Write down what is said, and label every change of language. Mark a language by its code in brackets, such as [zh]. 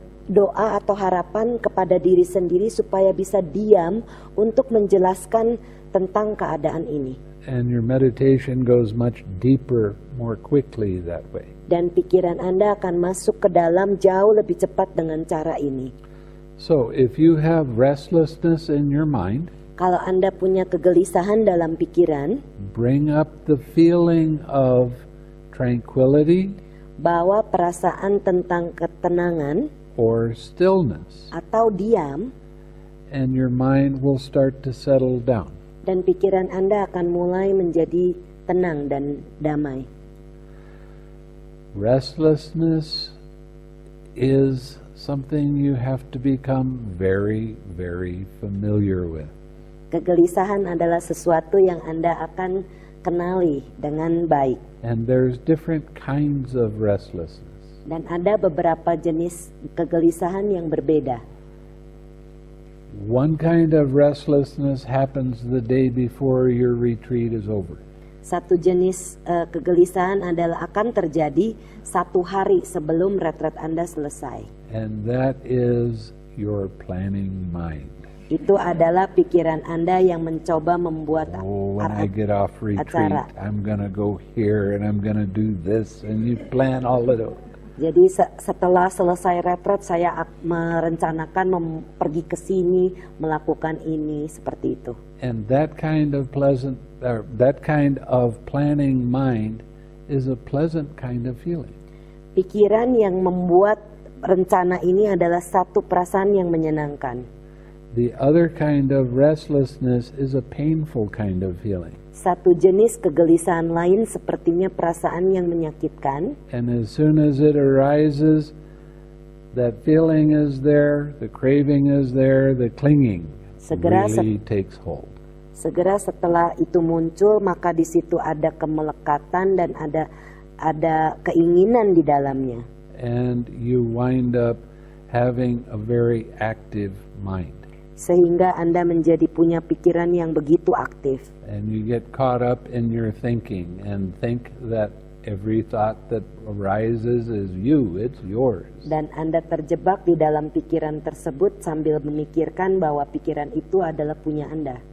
[id] doa atau harapan kepada diri sendiri supaya bisa diam untuk menjelaskan tentang keadaan ini. [en] And your meditation goes much deeper, more quickly that way. [id] Dan pikiran Anda akan masuk ke dalam jauh lebih cepat dengan cara ini. [en] So, if you have restlessness in your mind, [id] kalau Anda punya kegelisahan dalam pikiran, [en] bring up the feeling of tranquility, [id] bawa perasaan tentang ketenangan, [en] or stillness, [id] atau diam, [en] and your mind will start to settle down. [id] Dan pikiran Anda akan mulai menjadi tenang dan damai. [en] Restlessness is something you have to become very, very familiar with. [id] Kegelisahan adalah sesuatu yang Anda akan kenali dengan baik. [en] And there's different kinds of restlessness. [id] Dan ada beberapa jenis kegelisahan yang berbeda. [en] One kind of restlessness happens the day before your retreat is over. [id] Satu jenis kegelisahan adalah akan terjadi satu hari sebelum retret Anda selesai. [en] And that is your planning mind. [id] Itu adalah pikiran Anda yang mencoba membuat acara. [en] Oh, when I get off retreat, I'm gonna go here and I'm gonna do this, and you plan all of it. [id] Jadi setelah selesai retret, saya merencanakan pergi ke sini, melakukan ini, seperti itu. [en] And that kind of pleasant, or that kind of planning mind is a pleasant kind of feeling. [id] Pikiran yang membuat rencana ini adalah satu perasaan yang menyenangkan. [en] The other kind of restlessness is a painful kind of feeling. [id] Satu jenis kegelisahan lain sepertinya perasaan yang menyakitkan. [en] And as soon as it arises, that feeling is there, the craving is there, the clinging really takes hold. [id] Segera setelah itu muncul, maka di situ ada kemelekatan dan ada keinginan di dalamnya. [en] And you wind up having a very active mind. [id] Sehingga Anda menjadi punya pikiran yang begitu aktif. [en] And you get caught up in your thinking and think that every thought that arises is you, it's yours. [id] Dan Anda terjebak di dalam pikiran tersebut sambil memikirkan bahwa pikiran itu adalah punya Anda.